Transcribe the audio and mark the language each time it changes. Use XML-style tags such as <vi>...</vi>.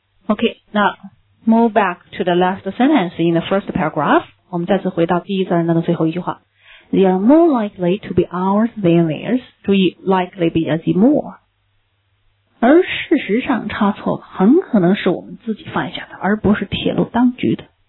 <en>Okay, now move back to the last sentence in the first paragraph.</en> <zh>我们再次回到第一自然段的最后一句话。</zh> <en>They are more likely to be ours than theirs.</en> <zh>注意 likely 比较级 more。而事实上差错很可能是我们自己犯下的而不是铁路当局的。</zh>